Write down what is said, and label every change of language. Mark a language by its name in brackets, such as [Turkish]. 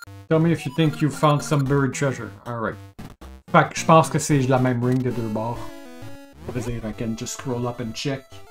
[English] Tell me if you think you found some buried treasure. Alright. [French] Fait que je pense que c'est la même ring de deux bords. Vas-y, I can just scroll up and check.